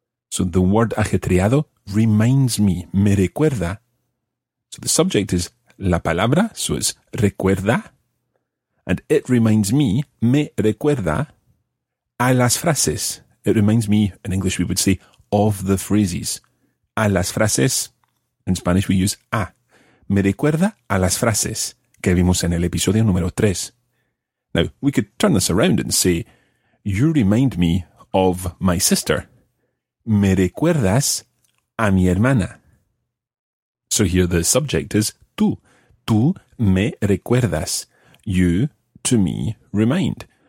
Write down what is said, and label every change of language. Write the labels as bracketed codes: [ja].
[en] So the word ajetreado reminds me, [es] me recuerda. [en] So the subject is [es] la palabra, [en] so it's recuerda. And it reminds me, [es] me recuerda, a las frases. [en] It reminds me, in English we would say, of the phrases. [es] A las frases, [en] in Spanish we use a. [es] Me recuerda a las frases que vimos en el episodio número 3. [en] Now, we could turn this around and say, you remind me of my sister. [es] Me recuerdas a mi hermana. [en] So here the subject is [es] tú. Tú me recuerdas. [en] You, to me, remind.